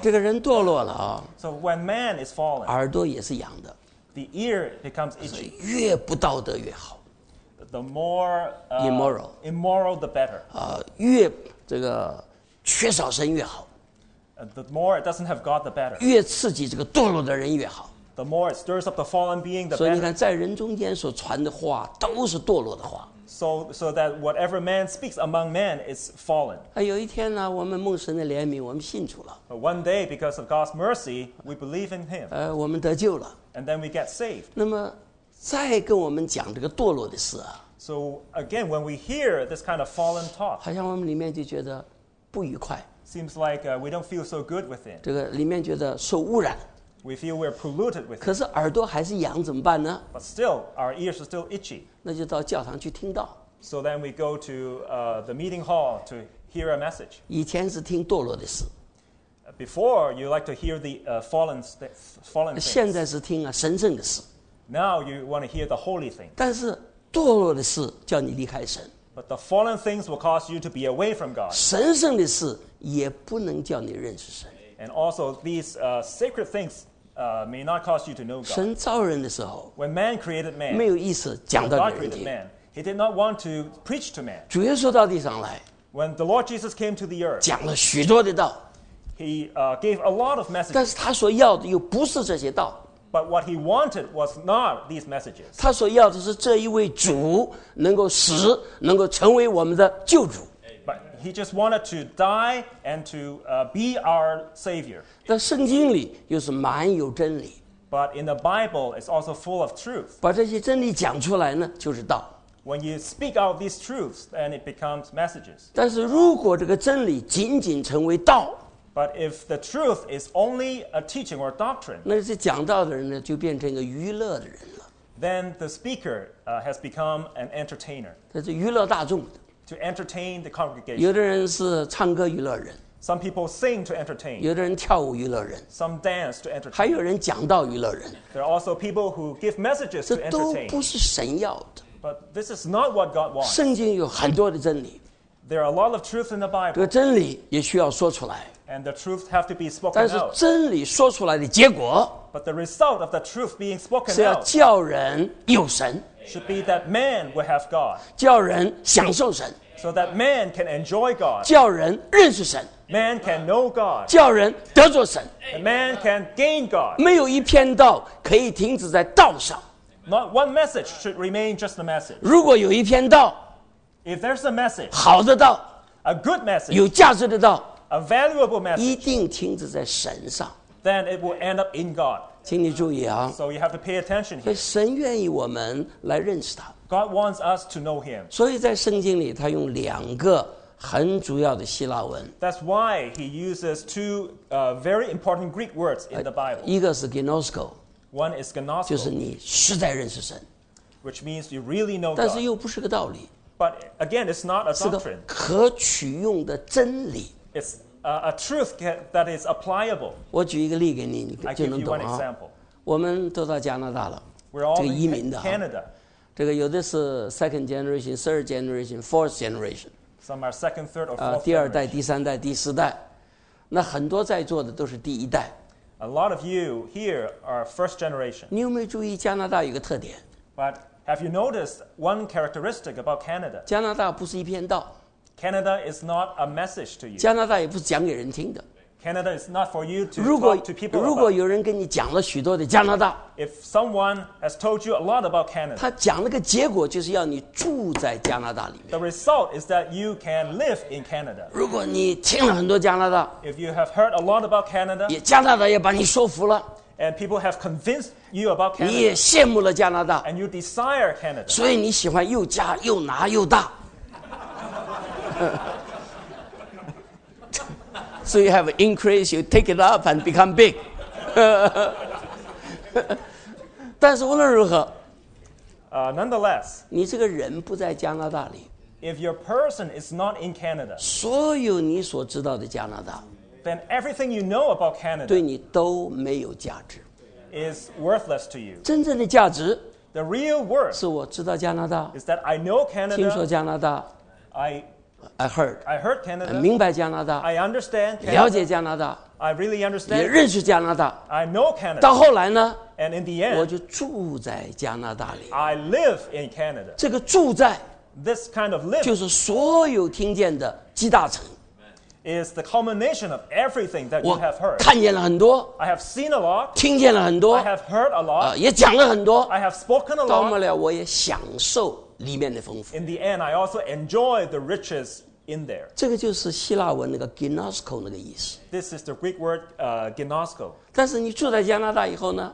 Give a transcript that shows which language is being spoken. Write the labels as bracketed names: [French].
[Chinese] 这个人堕落了啊。 [English] So when man is fallen, [Chinese] 耳朵也是痒的。 [English] The ear becomes itchy. [Chinese] 越不道德越好。 [English] The more immoral, immoral the better. [Chinese] 越这个缺少神越好。 [English] The more it doesn't have God, the better. [Chinese] 越刺激这个堕落的人越好。 [English] The more it stirs up the fallen being, the better. [Chinese] 所以你看，在人中间所传的话都是堕落的话。 [English] So that whatever man speaks among men is fallen. [Chinese] 有一天呢，我们蒙神的怜悯，我们信主了。 [English] But one day, because of God's mercy, we believe in Him. [Chinese] 我们得救了。 [English] And then we get saved. [Chinese] 那么，再跟我们讲这个堕落的事啊。 [English] So again, when we hear this kind of fallen talk, [Chinese] 好像我们里面就觉得不愉快。 [English] Seems like we don't feel so good within. [Chinese] 这个里面觉得受污染。 [English] We feel we're polluted with it. [Chinese] 可是耳朵还是痒，怎么办呢？ [English] But still, our ears are still itchy. [Chinese] 那就到教堂去听道。 [English] So then we go to the meeting hall to hear a message. [Chinese] 以前是听堕落的事。 [English] Before, you like to hear the fallen things. [Chinese] 现在是听啊神圣的事。 [English] Now you want to hear the holy things. [Chinese] 但是堕落的事叫你离开神。 [English] But the fallen things will cause you to be away from God. [Chinese] 神圣的事也不能叫你认识神。 [English] And also, these sacred things may not cause you to know God. [Chinese] 神造人的时候， [English] when man created man, [Chinese] 没有意思讲到给人听。 [English] God created man. He did not want to preach to man. [Chinese] 主耶稣到地上来， [English] when the Lord Jesus came to the earth, [Chinese] 讲了许多的道。 [English] He gave a lot of messages. [Chinese] 但是他所要的又不是这些道。 [English] But what he wanted was not these messages. [Chinese] 他所要的是这一位主能够死，能够成为我们的救主。 [English] He just wanted to die and to be our savior. [Chinese] 在圣经里又是满有真理。 [English] But in the Bible, it's also full of truth. [Chinese] 把这些真理讲出来呢，就是道。 [English] When you speak out these truths, then it becomes messages. [Chinese] 但是如果这个真理仅仅成为道， [English] But if the truth is only a teaching or doctrine, [Chinese] 那些讲道的人呢，就变成一个娱乐的人了。 [English] Then the speaker has become an entertainer. [Chinese] 他是娱乐大众的。 [English] To entertain the congregation. [Chinese] 有的人是唱歌娱乐人。 [English] Some people sing to entertain. [Chinese] 有的人跳舞娱乐人。 [English] Some dance to entertain. [Chinese] 还有人讲道娱乐人。 [English] There are also people who give messages to entertain. [Chinese] 这都不是神要的。 [English] But this is not what God wants. [Chinese] 圣经有很多的真理。 [English] There are a lot of truth in the Bible. [Chinese] 这个真理也需要说出来。 [English] And the truth have to be spoken out. [Chinese] 但是真理说出来的结果。 [English] But the result of the truth being spoken out. [Chinese] 是要叫人有神。 [English] Should be that man will have God. [Chinese] 叫人享受神。 [English] So that man can enjoy God. [Chinese] 叫人认识神。 [English] Man can know God. [Chinese] 叫人得着神。 [English] And man can gain God. [Chinese] 没有一篇道可以停止在道上。 [English] Not one message should remain just a message. [Chinese] 如果有一篇道， [English] If there's a message, [Chinese] 好的道， [English] A good message, [Chinese] 有价值的道， [English] A valuable message, [Chinese] 一定停止在神上。 [English] Then it will end up in God. [Chinese] 请你注意啊！ [English] So you have to pay attention here. [Chinese] 神愿意我们来认识他。 [English] God wants us to know Him. [Chinese] 所以在圣经里，他用两个很主要的希腊文。 [English] That's why he uses two very important Greek words in the Bible. [Chinese] 一个是 ginosko， [English] one is ginosko， [Chinese] 就是你实在认识神。 [English] Which means you really know God. [Chinese] 但是又不是个道理。 [English] But again, it's not a doctrine. [Chinese] 是个可取用的真理。 [English] It's a truth that is applicable. [Chinese] 我举一个例给你，你就能懂啊。 [English] I give you one example. [Chinese] 我们都到加拿大了。 [English] We're all [Chinese] 这个移民的啊。 [English] Canada. [Chinese] 这个有的是 [English] second generation, third generation, fourth generation. Some are second, third, or fourth. [Chinese] 第二代、第三代、第四代，那很多在座的都是第一代。 [English] A lot of you here are first generation. [Chinese] 你有没有注意加拿大有个特点 [English] ？But have you noticed one characteristic about Canada? [Chinese] 加拿大不是一篇道。 [English] Canada is not a message to you. [Chinese] 加拿大也不是讲给人听的。 [English] Canada is not for you to talk to people. [Chinese] 如果有人跟你讲了许多的加拿大 [English] ，If someone has told you a lot about Canada, [Chinese] 他讲了个结果就是要你住在加拿大里面。 [English] The result is that you can live in Canada. [Chinese] 如果你听了很多加拿大 [English] ，If you have heard a lot about Canada, [Chinese] 也加拿大也把你说服了 [English] ，And people have convinced you about Canada, [Chinese] 你也羡慕了加拿大 [English] ，And you desire Canada. [Chinese] 所以你喜欢又加又拿又大。 [English] So you have an increase, you take it up and become big. [Chinese] 但是无论如何 [English] nonetheless, [Chinese] 你这个人不在加拿大里 [English] if your person is not in Canada, [Chinese] 所有你所知道的加拿大 [English] then everything you know about Canada, [Chinese] 对你都没有价值 [English] is worthless to you. [Chinese] 真正的价值 [English] the real worth, [Chinese] 是我知道加拿大 [English] is that I know Canada, [Chinese] 听说加拿大 [English] I heard Canada. [Chinese] 明白加拿大。 [English] I understand Canada. [Chinese] 了解加拿大。 [English] I really understand. [Chinese] 也认识加拿大。 [English] I know Canada. [Chinese] 到后来呢 [English] ？And in the end, [Chinese] 我就住在加拿大里。 [English] I live in Canada. [Chinese] 这个住在 [English] ，this kind of live， [Chinese] 就是所有听见的集大成。 [English] Is the culmination of everything that you have heard. [Chinese] 我看见了很多。 [English] I have seen a lot. [Chinese] 听见了很多。 [English] I have heard a lot. [Chinese] 也讲了很多。 [English] I have spoken a lot. [Chinese] 到末了，我也享受。里面的丰富。 [English] In the end, I also enjoy the riches in there. [Chinese] 这个就是希腊文那个 ginosko 那个意思。 [English] This is the Greek word ginosko. [Chinese] 但是你住在加拿大以后呢